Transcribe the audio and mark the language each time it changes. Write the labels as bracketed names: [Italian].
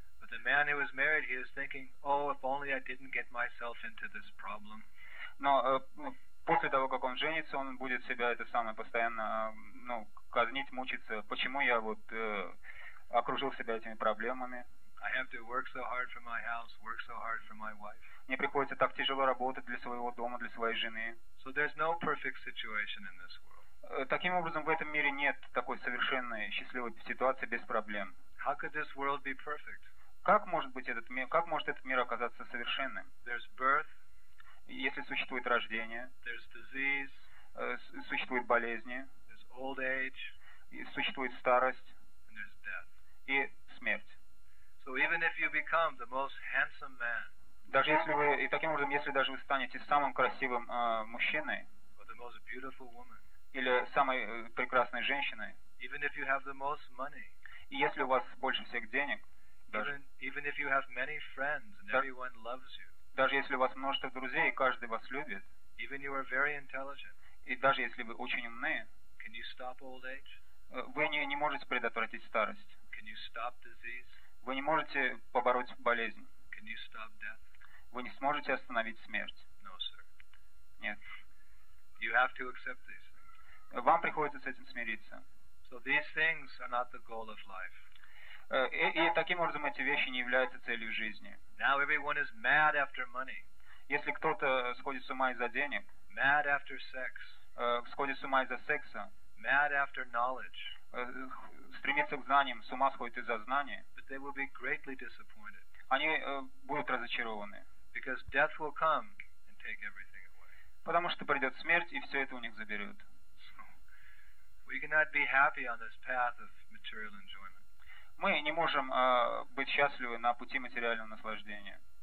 [English] The man who was married, he was thinking, "Oh, if only I didn't get myself into this problem." [Russian] Но после того, как он женится, он будет себя это самое постоянно, ну, казнить, мучиться. Почему я вот окружил себя этими проблемами? [English] I have to work so hard for my house, work so hard for my wife. [Russian] Мне приходится так тяжело работать для своего дома, для своей жены. [English] So there's no perfect situation in this world. [Russian] Таким образом, в этом мире нет такой совершенной счастливой ситуации без проблем. [English] How could this world be perfect? [Russian] Как может этот мир оказаться совершенным? [English] There's birth, [Russian] если существует рождение, [English] there's disease, [Russian] существует болезни, [English] there's old age, [Russian] существует старость, [English] and there's death. [Russian] И смерть. [English] So even if you become the most handsome man, [Russian] даже если вы, и таким образом, если даже вы станете самым красивым мужчиной, [English] or the most beautiful woman, [Russian] или самой прекрасной женщиной, [English] even if you have the most money, [Russian] и если у вас больше всех денег, [English] Even if you have many friends and everyone loves you, [Russian] даже если у вас множество друзей и каждый вас любит, [English] even you are very intelligent, [Russian] и даже если вы очень умны, [English] can you stop old age? [Russian] Вы не можете предотвратить старость. [English] Can you stop disease? [Russian] Вы не можете побороть болезнь. [English] Can you stop death? [Russian] Вы не сможете остановить смерть. [English] No, sir. [Russian] Нет. [English] You have to accept these things. [Russian] Вам приходится с этим смириться. [English] So these things are not the goal of life. [Russian] И таким образом эти вещи не являются целью жизни. [English] Now everyone is mad after money. [Russian] Если кто-то сходит с ума из-за денег, [English] mad after sex. [Russian] Сходит с ума из-за секса, [English] mad after knowledge. [Russian] Стремится к знаниям, с ума сходит из-за знания, [English] but they will be greatly disappointed. [Russian] Они будут разочарованы. [English] Because death will come and take everything away. [Russian] Потому что придет смерть и все это у них заберет. [English] We cannot be happy on this path of material enjoyment. [Russian] Мы не можем быть счастливы на пути материального наслаждения.